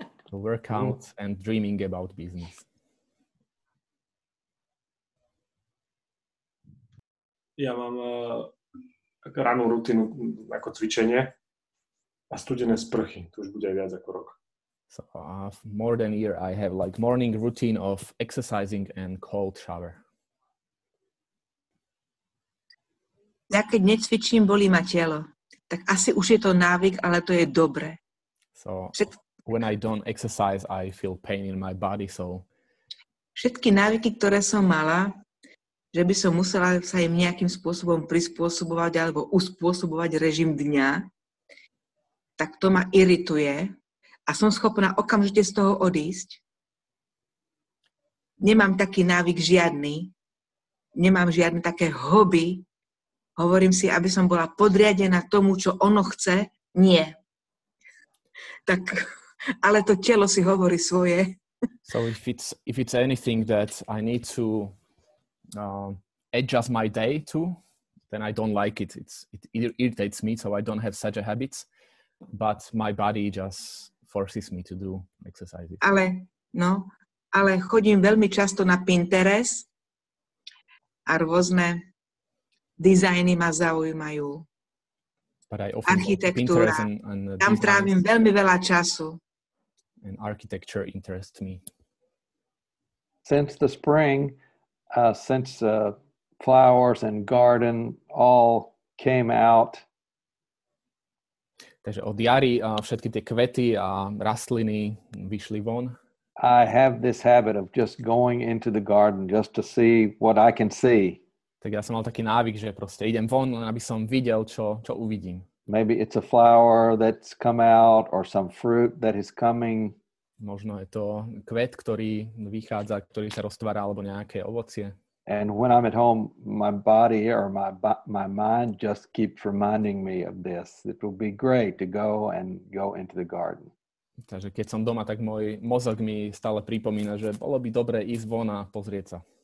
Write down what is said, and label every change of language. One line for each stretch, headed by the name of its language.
English: Workout and dreaming about business.
Slovak: Ja mám ranú rutinu ako cvičenie a studené sprchy. To už bude aj viac ako rok.
English: So more than a year I have like morning routine of exercising and cold shower.
Slovak: Ja keď necvičím, bolí ma telo. Tak asi už je to návyk, ale to je dobre.
English: So when I don't exercise, I feel pain in my body, so...
Slovak: Všetky návyky, ktoré som mala, že by som musela sa im nejakým spôsobom prispôsobovať alebo uspôsobovať režim dňa, tak to ma irituje a som schopná okamžite z toho odísť. Nemám taký návyk žiadny, nemám žiadne také hobby. Hovorím si, aby som bola podriadená tomu, čo ono chce, nie. Tak... Ale to telo si hovorí svoje.
English: So if it's anything that I need to adjust my day to, then I don't like it. It irritates me, so I don't have such a habit. But my body just forces me to do exercise.
Slovak: Ale chodím veľmi často na Pinterest a rôzne dizajny ma zaujímajú.
English: But I often architektúra.
Slovak: Tam trávim veľmi veľa času.
English: And architecture interests me. Since the spring, flowers and garden all came out.
Slovak: Takže od jary všetky tie kvety a rastliny vyšli von.
English: I have this habit of just going into the garden just to see what I can see.
Slovak: Tak ja som mal taký návyk, že proste idem von, len aby som videl, čo uvidím.
English: Maybe it's a flower that's come out or some fruit that is coming.
Slovak: Možno je to kvet, ktorý vychádza, ktorý sa roztvára, alebo nejaké ovocie.
English: And when I'm at home, my body or my mind just keeps reminding me of this. It will be great to go and go into the garden.
Slovak: Takže keď som doma, tak môj mozog mi stále pripomína, že bolo by dobre ísť von a pozrieť sa.